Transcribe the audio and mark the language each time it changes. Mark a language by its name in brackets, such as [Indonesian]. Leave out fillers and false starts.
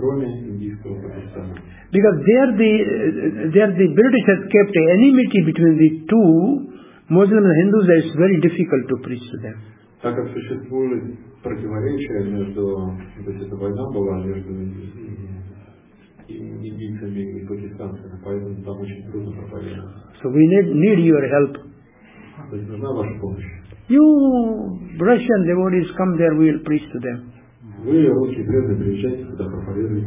[English] Because there the British has kept an enmity between the two, Muslims and Hindus, it's very difficult to preach to them. [Russian] Так как существует противоречие между, то есть эта война была между индийцами и пакистанцами, поэтому там очень трудно проповедовать. [English] So we need your help. [Russian] То есть нужна ваша помощь. [English] You Russian devotees come there, we will preach to them. [Russian] Вы русские преданные приезжайте сюда, проповедуйте.